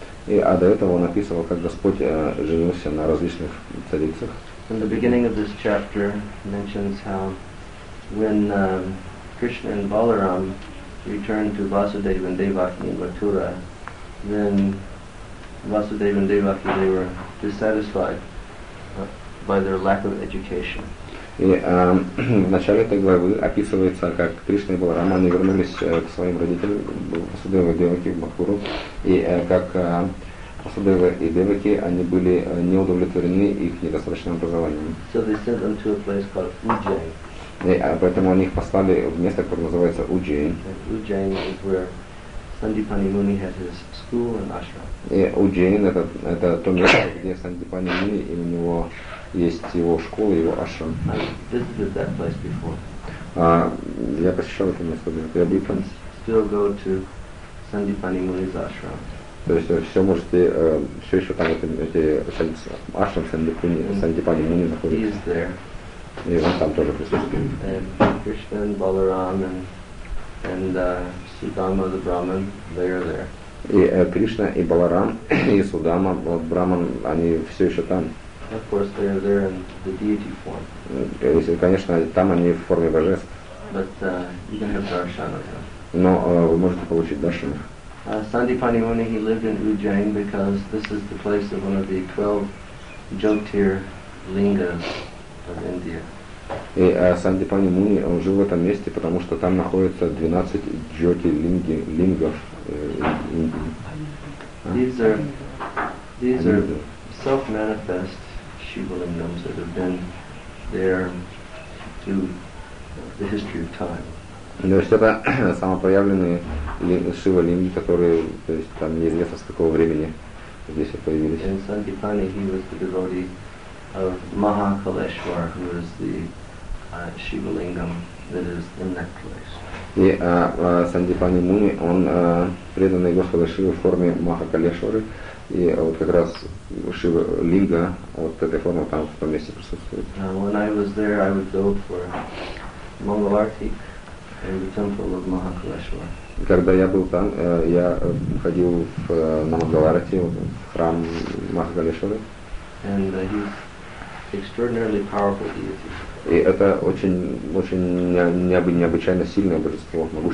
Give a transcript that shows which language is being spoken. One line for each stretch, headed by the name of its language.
Russian: И до этого он описывал, как Господь женился на различных царицах.
English: In the beginning of this chapter mentions how when Krishna and Balaram returned to Vasudeva and Devaki in Mathura, then Vasudeva and Devaki, they were dissatisfied by their lack of education.
Russian: И в начале этой главы описывается, как Кришна и Баларама, они вернулись к своим родителям, Васудеве и Деваке в Мадхуру, и как Васудева и Деваки, они были не удовлетворены их недостаточным образованием.
English: So they sent them to a place called Ujjain.
Russian: И поэтому они их послали в место, которое называется Ujjain.
English: Ujjain is where Sandipani Muni had his school and ashram.
Russian: И Ujjain это то место, где Сандипани Муни и у него есть его школа, его ашрам.
English: I visited that place before.
Russian: Я посещал это место. Я был.
English: Still go to Sandipani Muni's ashram.
Russian: То есть все можете, все еще там эти ашрам Сандипани, Сандипани Муни находится.
English: He is there.
Russian: И он там тоже присутствует.
English: Кришна, Баларам and Судама the Brahman, they are there.
Russian: И Кришна и Баларам и Судама, вот Браман, они все еще там.
English: Of course they are there in the deity form.
Russian: Конечно, там они в форме божеств.
English: But you can have darshan of them.
Russian: Но вы можете получить даршан.
English: Sandipani Muni, he lived in Ujjain because this is the place of one of the 12 Jyotir Lingas of India.
Russian: И Сандипани Муни, он жил в этом месте, потому что там находится 12 Джотилинги, лингов Индии.
English: These are self-manifest Shivalingams that have been there through the history of time.
Russian: То есть это самопроявленные Шивалинги, которые, то есть там неизвестно с какого времени здесь появились.
English: And Sandipani, he was the devotee of Mahakaleshwar, who is the Shivalingam that is in that place.
Russian: И Сандипани Муни, он преданный Господу Шиве в форме Махакалешвары, и вот как раз Шивалинга вот этой формы там в том месте присутствует.
English: When I was there, I would go for Mangalarti in the temple of Mahakaleshwar.
Russian: Когда я был там, я ходил в Мангаларти, в храм Махакалешвары.
English: And he's extraordinarily powerful deity.
Russian: И это очень необычайно сильное божество,